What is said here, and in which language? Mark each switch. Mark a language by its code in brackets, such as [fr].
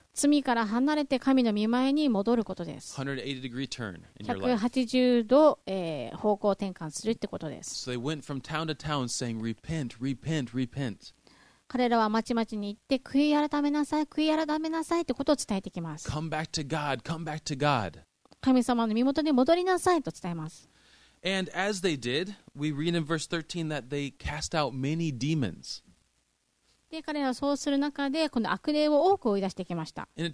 [ja] 罪から離れて神の御前に戻ることです。180度、方向転換するってことです。 [en] So they went from town to town saying, repent, repent, repent. [ja] 彼らは町々に行って悔い改めなさい、悔い改めなさいってことを伝えてきます。 [en] Come back to God, come back to God. [ja] 神様の御元に戻りなさいと伝えます。 [en] And as they did, we read in verse 13 that they cast out many demons. [ja] で彼らはそうする中でこの悪霊を多く追い出してきました。